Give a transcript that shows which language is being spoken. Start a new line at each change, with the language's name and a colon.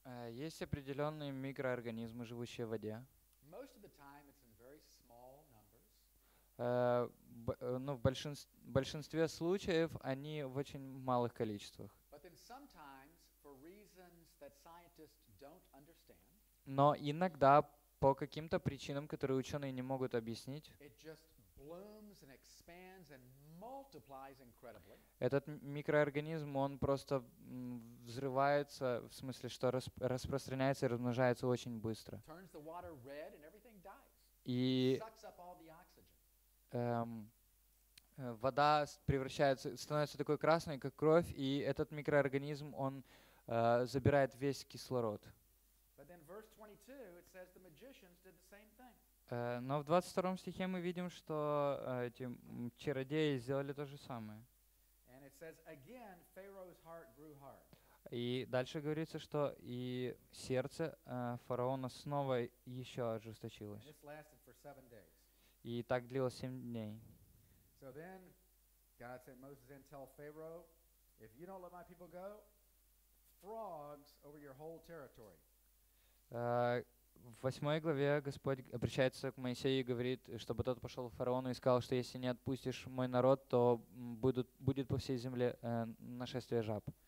Russian: есть определенные микроорганизмы, живущие в воде.
English: Most of the time it's in very small numbers.
Russian: Ну, в большинстве случаев они в очень малых количествах.
English: But then sometimes, for reasons that scientists don't understand,
Russian: но иногда по каким-то причинам, которые ученые не могут объяснить,
English: it just blooms and expands and multiplies incredibly.
Russian: Этот микроорганизм, он просто взрывается, в смысле, что распространяется и размножается очень быстро.
English: Turns the water red and everything dies.
Russian: И
English: sucks up all the oxygen.
Russian: Вода превращается, становится такой красной, как кровь, и этот микроорганизм, он забирает весь кислород.
English: But then verse 22, it says the magicians did the same thing.
Russian: Но в 22 стихе мы видим, что эти чародеи сделали то же самое.
English: And it says, again, Pharaoh's heart grew hard.
Russian: И дальше говорится, что и сердце фараона снова еще ожесточилось.
English: And this lasted for 7 days.
Russian: И так длилось 7 дней.
English: So then God sent Moses and tell Pharaoh, if you don't let my people go, frogs over your whole territory.
Russian: В 8 главе Господь обращается к Моисею и говорит, чтобы тот пошел к фараону и сказал, что если не отпустишь мой народ, то будет по всей земле нашествие жаб.